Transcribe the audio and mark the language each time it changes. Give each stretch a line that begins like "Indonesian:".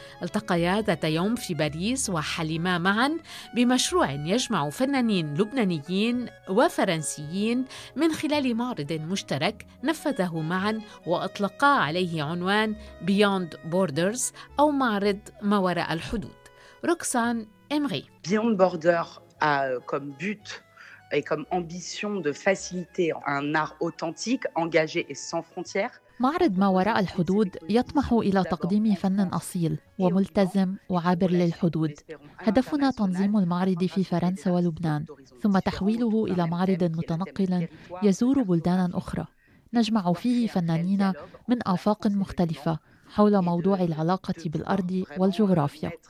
Arabic: التقيا ذات يوم في باريس وحلما معا بمشروع يجمع فنانين لبنانيين وفرنسيين من خلال معرض مشترك نفذه معا وأطلقا عليه عنوان Beyond Borders أو معرض ما وراء الحدود.
French: Roxane Emery. Beyond Border a comme but et comme ambition de faciliter un art authentique, engagé et sans frontières.
Arabic: معرض ما وراء الحدود يطمح إلى تقديم فن أصيل وملتزم وعابر للحدود. هدفنا تنظيم المعرض في فرنسا ولبنان ثم تحويله إلى معرض متنقل يزور بلدان أخرى، نجمع فيه فنانين من آفاق مختلفة حول موضوع العلاقة بالأرض والجغرافيا.